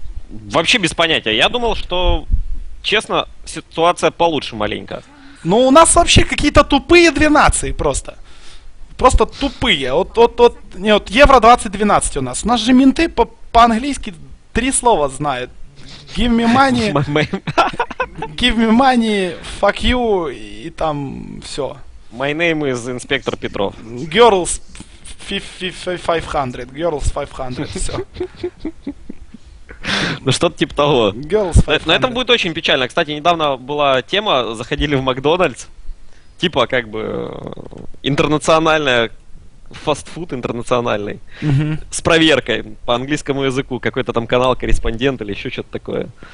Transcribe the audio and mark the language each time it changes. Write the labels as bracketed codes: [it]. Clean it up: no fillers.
[ru] Вообще без понятия. Я думал, что, честно, ситуация получше маленько. Ну, у нас вообще какие-то тупые две нации просто. Просто тупые. Вот Евро 2012 у нас. У нас же менты по-английски три слова знают. [en] Give me money, give me money, fuck you, [ru] и там все. [en] My name is Инспектор Петров. Girls 500, girls 500, [ru] все. Ну что-то типа того. [en] Girls 500. [ru] Но это будет очень печально. Кстати, недавно была тема, заходили в Макдональдс, типа как бы интернациональная... фастфуд интернациональный, с проверкой по английскому языку, какой-то там канал, корреспондент или еще что-то такое.